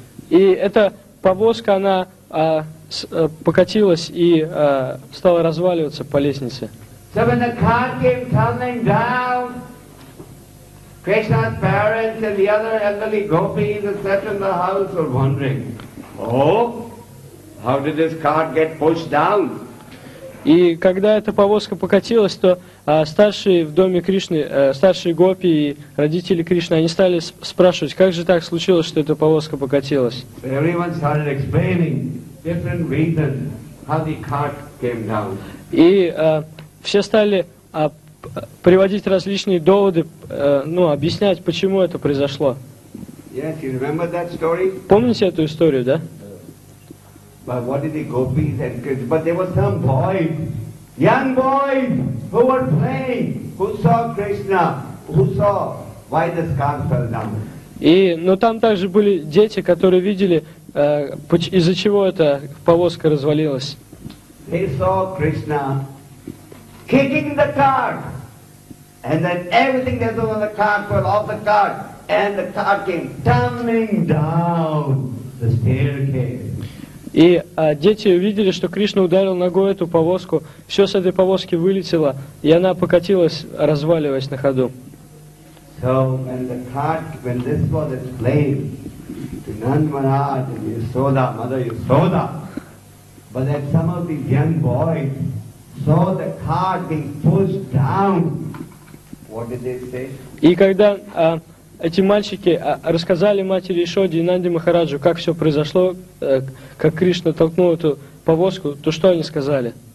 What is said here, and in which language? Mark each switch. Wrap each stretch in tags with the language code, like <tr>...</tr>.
<ru>И эта повозка, она покатилась и стала разваливаться по лестнице.</ru> <en>So when the cart came tumbling down, Krishna's parents and the other elderly gopis that sat in the house were wondering, oh, how did this cart get pushed down?</en> <ru>И когда эта повозка покатилась, то старшие в доме Кришны, старшие гопи и родители Кришны, они стали спрашивать, как же так случилось, что эта повозка покатилась. И все стали приводить различные доводы, ну, объяснять, почему это произошло.</ru> <en>Yes, you remember that story?</en> <ru>Помните эту историю, да?</ru> <en>But what did the gopis and but there was some boys, young boys who were playing, who saw Krishna, who saw why the scar fell down.</en> <ru>И, но там также были дети, которые видели, из-за чего эта повозка развалилась.</ru> <en>They saw Krishna kicking the cart, and then everything that was on the cart fell off the cart, and the cart came tumbling down the staircase.</en> <ru>И дети увидели, что Кришна ударил ногой эту повозку, все с этой повозки вылетело, и она покатилась, разваливаясь на ходу.</ru> <en>So, when the cart, when this was explained to Nand Maharaj and Yasoda, Mother Yasoda, but then some of these young boys saw the cart being pushed down, what did they say?</en> <ru>И когда эти мальчики рассказали матери Ишоде и Нанде Махараджу, как все произошло, как Кришна толкнул эту повозку, то что они сказали?</ru>